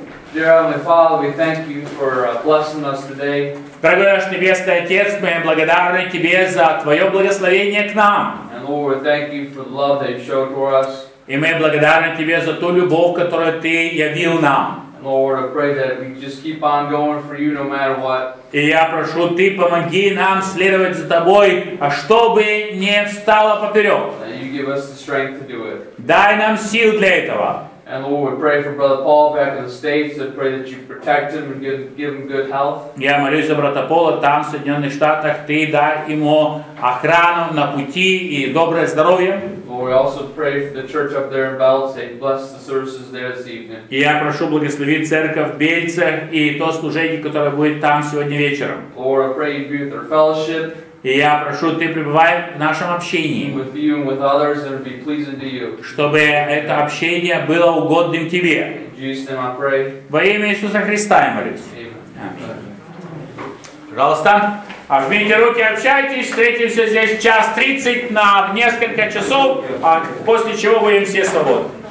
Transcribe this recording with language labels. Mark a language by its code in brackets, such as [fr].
[ru] Дорогой наш Небесный Отец, мы благодарны Тебе за Твое благословение к нам. И мы благодарны Тебе за ту любовь, которую Ты явил нам. [en] Lord, I pray that we just keep on going for you no matter what. [ru] И я прошу, Ты помоги нам следовать за Тобой, а чтобы не встало поперек. [en] And you give us the strength to do it. [ru] Дай нам сил для этого. [en] And Lord, we pray for Brother Paul back in the States. I pray that you protect him and give him good health. [ru] Я молюсь за брата Пола там, в Соединенных Штатах. Ты дай ему охрану на пути и доброе здоровье. [en] We also pray for the church up there in Belize. Bless the services there this evening. [ru] И я прошу благословить церковь в Бельце и то служение, которое будет там сегодня вечером. [en] Lord, I pray you be with our fellowship. [ru] И я прошу, Ты пребывай в нашем общении. [en] With you and with others, and be pleasing to you. [ru] Чтобы это общение было угодным Тебе. [en] In Jesus' name I pray. [ru] Во имя Иисуса Христа я молюсь. [en] Amen. [ru] Пожалуйста. Обмените руки, общайтесь, встретимся здесь 1:30 на несколько часов, после чего будем все свободны.